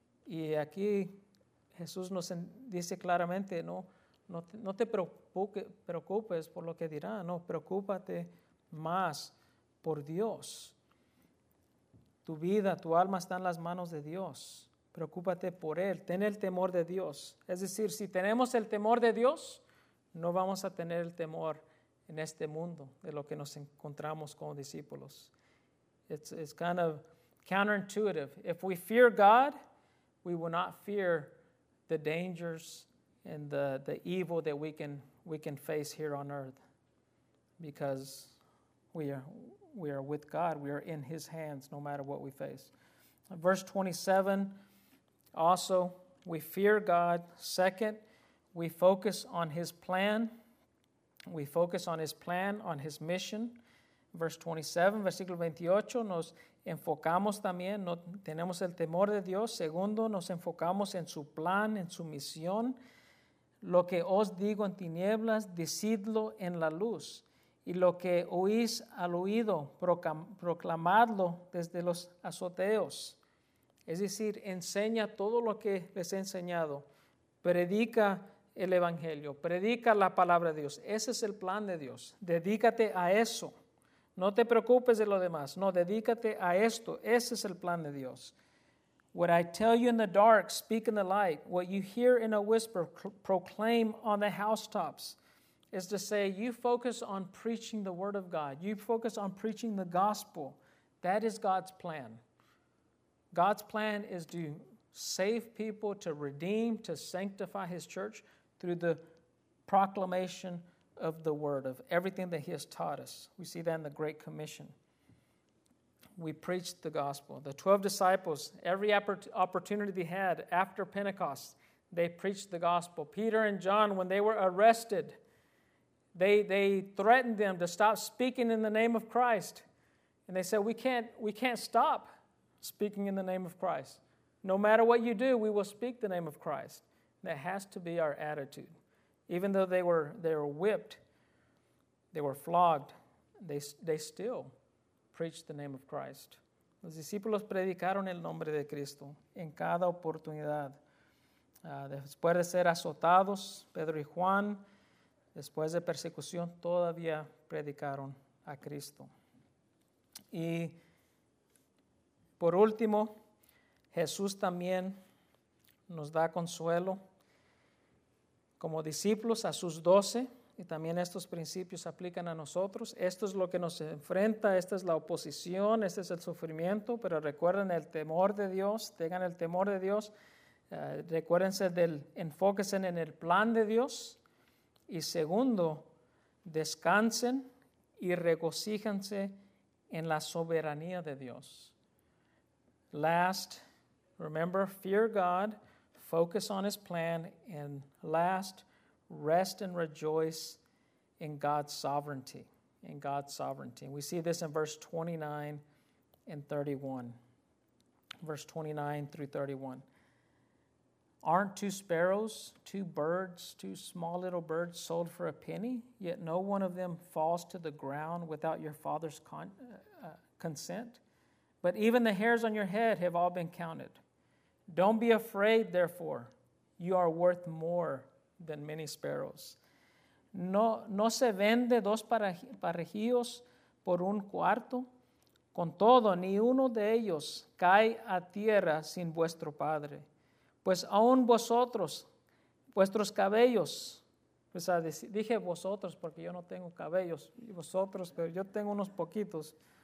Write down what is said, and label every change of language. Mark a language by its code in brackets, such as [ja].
[es] Y aquí Jesús nos dice claramente, no, no te preocupes por lo que dirá, no, preocúpate más por Dios. Tu vida, tu alma está en las manos de Dios. Preocúpate por Él, ten el temor de Dios. Es decir, si tenemos el temor de Dios, no vamos a tener el temor en este mundo de lo que nos encontramos como discípulos. [en] It's kind of counterintuitive. If we fear God, we will not fear the dangers and the evil that we can face here on earth, because we are with God. We are in His hands no matter what we face. Verse 27, also, we fear God. Second, we focus on His plan. We focus on His plan, on His mission. Verse 27, [es] versículo 28, nos enfocamos también, no tenemos el temor de Dios. Segundo, nos enfocamos en su plan, en su misión. Lo que os digo en tinieblas, decidlo en la luz. Y lo que oís al oído, proclamadlo desde los azoteos. Es decir, enseña todo lo que les he enseñado. Predica el Evangelio, predica la palabra de Dios. Ese es el plan de Dios. Dedícate a eso. No te preocupes de lo demás. No, dedícate a esto. Ese es el plan de Dios. [en] What I tell you in the dark, speak in the light. What you hear in a whisper, proclaim on the housetops. Is to say, you focus on preaching the word of God. You focus on preaching the gospel. That is God's plan. God's plan is to save people, to redeem, to sanctify His church through the proclamation of the word, of everything that He has taught us. We see that in the Great Commission. We preach the gospel. The 12 disciples, every opportunity they had after Pentecost, they preached the gospel. Peter and John, when they were arrested, they threatened them to stop speaking in the name of Christ. And they said, we can't stop speaking in the name of Christ. No matter what you do, we will speak the name of Christ. That has to be our attitude. Even though they were whipped, they were flogged, they still preached the name of Christ. [es] Los discípulos predicaron el nombre de Cristo en cada oportunidad. Después de ser azotados, Pedro y Juan, después de persecución, todavía predicaron a Cristo. Y por último, Jesús también nos da consuelo como discípulos a sus doce, y también estos principios aplican a nosotros. Esto es lo que nos enfrenta, esta es la oposición, este es el sufrimiento, pero recuerden el temor de Dios, tengan el temor de Dios, recuérdense del, enfóquense en el plan de Dios, y segundo, descansen y regocíjense en la soberanía de Dios. [en] Last, remember, fear God, focus on His plan, and last, rest and rejoice in God's sovereignty, in God's sovereignty. And we see this in verse 29 and 31, verse 29 through 31. Aren't two sparrows, two birds, two small little birds sold for a penny? Yet no one of them falls to the ground without your Father's consent. But even the hairs on your head have all been counted. Don't be afraid, therefore. You are worth more than many sparrows. [es] No se vende dos parejillos por un cuarto. Con todo, ni uno de ellos cae a tierra sin vuestro Padre. Pues aún vosotros, vuestros cabellos, pues, dije vosotros porque yo no tengo cabellos, y vosotros, pero yo tengo unos poquitos.